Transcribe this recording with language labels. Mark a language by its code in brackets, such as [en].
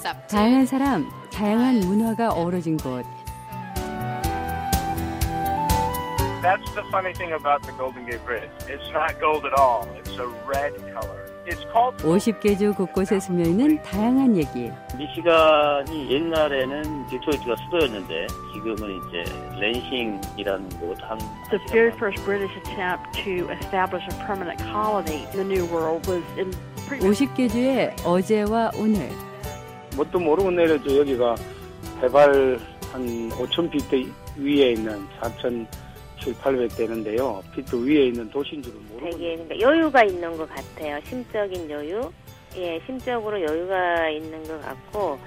[ko] 다양한 사람, 다양한 문화가 어우러진 곳. [en] That's the funny thing about the Golden Gate Bridge. It's not gold at all. It's a red color. It's called. [ko] 50개 주 곳곳에 숨어 있는 다양한 얘기. 미시간이 옛날에는 디트로이트가 수도였는데 지금은 이제 랜싱이라는 곳 한. [en] The very first British attempt to establish a permanent colony in the New World was in. [ko] 50개 주의 어제와 오늘. 뭣도 모르고 내려줘. 여기가 해발 한 5,000피트 위에 있는 4,800대인데요. 피트 위에 있는 도시인 줄은 모르고. 되게 그러니까 여유가 있는 것 같아요. 심적인 여유. 예, 심적으로 여유가 있는 것 같고.